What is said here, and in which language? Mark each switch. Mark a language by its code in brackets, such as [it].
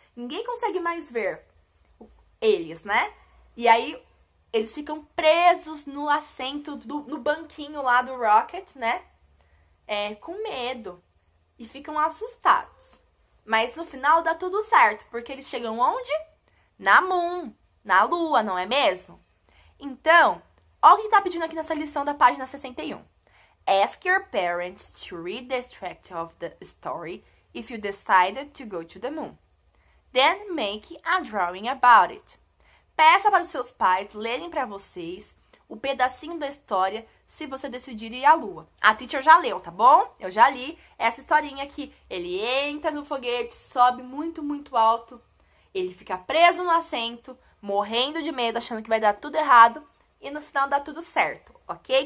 [pt] Ninguém consegue mais ver eles, né? E aí eles ficam presos no assento, no banquinho lá do rocket, né? Com medo e ficam assustados. Mas no final dá tudo certo, porque eles chegam onde? Na Moon, na Lua, não é mesmo? Então, olha o que está pedindo aqui nessa lição da página 61. [en] Ask your parents to read the extract of the story if you decided to go to the Moon. Then make a drawing about it. [pt] Peça para os seus pais lerem para vocês o pedacinho da história se você decidir ir à Lua. A teacher já leu, tá bom? Eu já li essa historinha que ele entra no foguete, sobe muito, muito alto, ele fica preso no assento, morrendo de medo, achando que vai dar tudo errado, e no final dá tudo certo, ok?